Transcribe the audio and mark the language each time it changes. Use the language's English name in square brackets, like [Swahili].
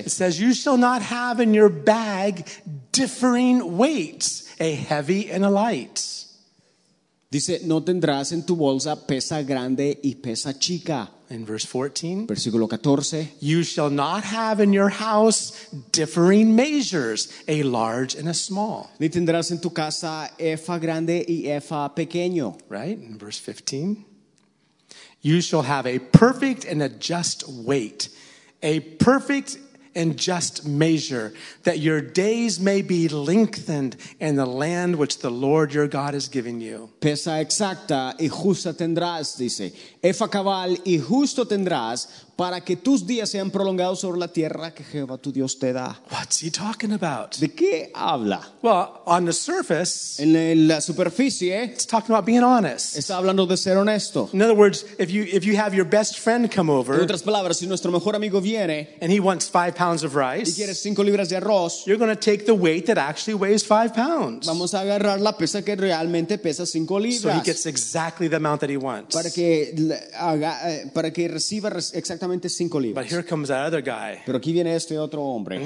[English] It says, you shall not have in your bag differing weights, a heavy and a light. [Spanish] Dice, no tendrás en tu bolsa pesa grande y pesa chica. [English] In verse 14, [Spanish] versículo 14, [English] you shall not have in your house differing measures, a large and a small. [Spanish] Ni tendrás en tu casa efa grande y efa pequeño. [English] Right? In verse 15, you shall have a perfect and a just weight, a perfect and just measure, that your days may be lengthened in the land which the Lord your God has given you. [Spanish] Pesa exacta y justa tendrás, dice. Efa cabal y justo tendrás, para que tus días sean prolongados sobre la tierra que Jehová tu Dios te da. [English] What's he talking about? [Spanish] ¿De qué habla? [English] Well, on the surface, [Spanish] en la superficie, [English] it's talking about being honest. [Spanish] Está hablando de ser honesto. [English] In other words, if you have your best friend come over, [Spanish] en otras palabras, si nuestro mejor amigo viene, [English] and he wants 5 pounds of rice, [Spanish] y quiere 5 libras de arroz, [English] you're going to take the weight that actually weighs 5 pounds. [Spanish] Vamos a agarrar la pesa que realmente pesa 5 libras. [English] So he gets exactly the amount that he wants. [Spanish] Para que reciba exactamente 5 libras. [English] But here comes that other guy. [Spanish] Pero aquí viene este otro hombre.